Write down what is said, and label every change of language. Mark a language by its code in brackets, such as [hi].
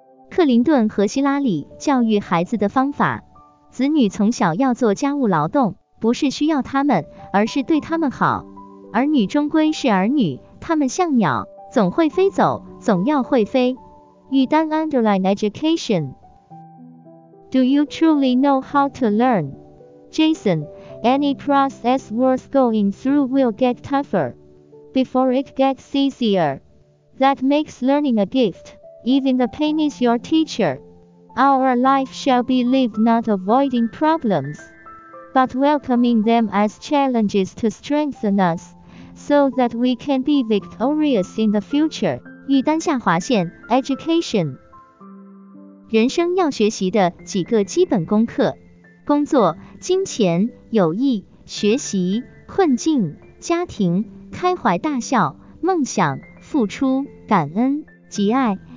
[zh] 克林顿和希拉里教育孩子的方法，子女从小要做家务劳动，不是需要他们，而是对他们好。儿女终归是儿女，他们像鸟，总会飞走，总要会飞。 [en] 与丹 Underline Education。 Do you truly know how to learn? Jason, any process worth going through will get tougher before it gets easier. That makes learning a gift, even the pain is your teacher. Our life shall be lived not avoiding problems, but welcoming them as challenges to strengthen us, so that we can be victorious in the future. [zh] 与丹下划线 Education。人生要学习的几个基本功课：工作、金钱、友谊、学习、困境、家庭、开怀大笑、梦想、付出、感恩、及爱。